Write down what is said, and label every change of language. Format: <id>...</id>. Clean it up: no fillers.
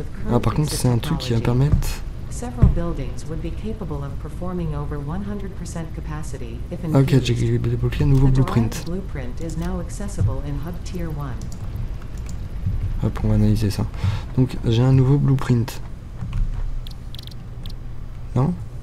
<fr>Ah, par contre, c'est un truc qui va permettre.</fr> <en>Several buildings would be capable of performing over 100% capacity if in</en> <fr>Ok, j'ai débloqué un nouveau blueprint.</fr> <en>Blueprint is now accessible in Hub Tier 1.</en> <fr>Hop, on va analyser ça. Donc, j'ai un nouveau blueprint. Non?</fr>